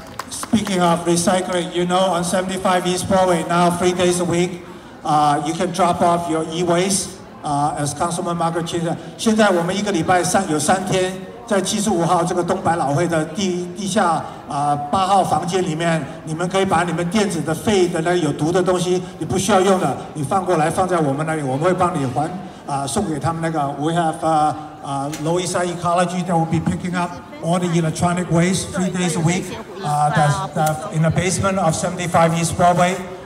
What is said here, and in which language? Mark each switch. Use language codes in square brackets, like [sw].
[en] Speaking of recycling, you know, on 75 East Broadway, now 3 days a week, you can drop off your e-waste, as Councilman Margaret Chin said. [zh] 现在我们一个礼拜有三天在75号这个东百老汇的地下8号房间里面，你们可以把你们电子的废的那有毒的东西，你不需要用的，你放过来放在我们那里，我们会帮你还送给他们那个。 [en] We have Lowyside Ecology that will be picking up all the electronic waste 3 days a week. That's in the basement of 75 East Broadway.